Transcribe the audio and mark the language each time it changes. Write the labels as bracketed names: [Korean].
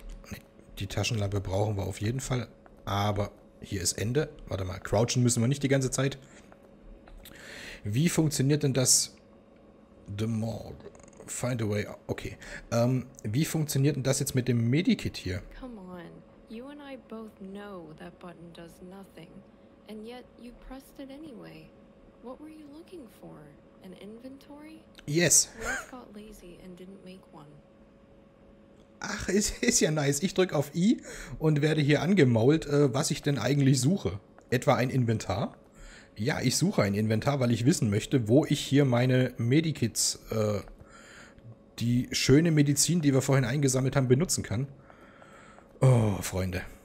[German] Nee, die Taschenlampe brauchen wir auf jeden Fall. Aber... Hier ist Ende. Warte mal, crouchen müssen wir nicht die ganze Zeit. Wie funktioniert denn das? [English] The morgue. Find a way. [German] Okay. Wie funktioniert denn das jetzt mit dem Medikit hier? [English] Come on. You and I both know that button does nothing. And yet you pressed it anyway. What were you looking for? An inventory? Yes. Ralph got lazy and didn't make one. [German] Ach, ist ja nice. Ich drücke auf I und werde hier angemault, was ich denn eigentlich suche. Etwa ein Inventar? Ja, ich suche ein Inventar, weil ich wissen möchte, wo ich hier meine Medikits, die schöne Medizin, die wir vorhin eingesammelt haben, benutzen kann. Oh, Freunde.